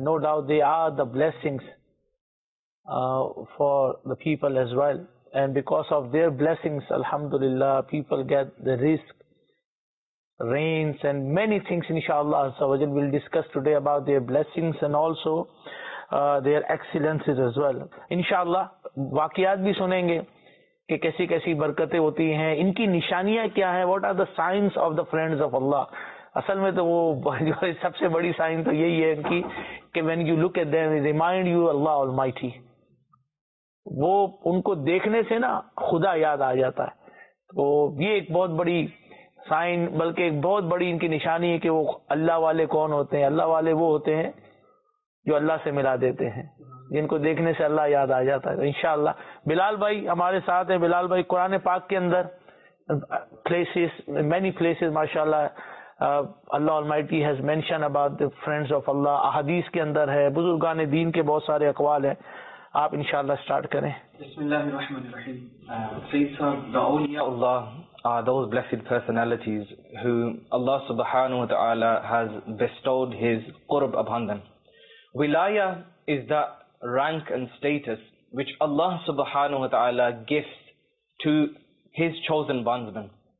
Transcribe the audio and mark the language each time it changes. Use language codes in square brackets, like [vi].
[en] No doubt they are the blessings for the people as well. And because of their blessings, alhamdulillah, people get the rizq, rains and many things, inshallah. So we'll discuss today about their blessings and also their excellences as well. [ur] Inshallah, waqiyat bhi sunenge. کہ کیسی کیسی برکتیں ہوتی ہیں ان کی نشانیاں کیا ہیں [en] what are the signs of the friends of Allah [ur] اصل میں تو وہ جو سب سے بڑی سائن تو یہی ہے ان کی کہ [en] when you look at them remind you Allah almighty [ur] وہ ان کو دیکھنے سے نا خدا یاد آ جاتا ہے تو یہ ایک بہت بڑی سائن بلکہ ایک بہت بڑی ان کی نشانی ہے کہ وہ اللہ والے کون ہوتے ہیں اللہ والے وہ ہوتے ہیں جو اللہ سے ملا دیتے ہیں جن کو دیکھنے سے اللہ یاد آ جاتا ہے انشاءاللہ بلال بھائی ہمارے ساتھ ہیں بلال بھائی قرآن پاک کے اندر [en] places many places ماشاءاللہ Allah almighty has mention about the friends of Allah [ur] احادیث کے اندر ہے بزرگان دین کے بہت سارے اقوال ہیں آپ انشاءاللہ سٹارٹ کریں [ar] بسم اللہ الرحمن الرحیم [en] اللہ are those blessed personalities who Allah subhanahu wa ta'ala has bestowed his qurb upon them wilaya is that rank and status which Allah subhanahu wa ta'ala gifts to his chosen bondsmen.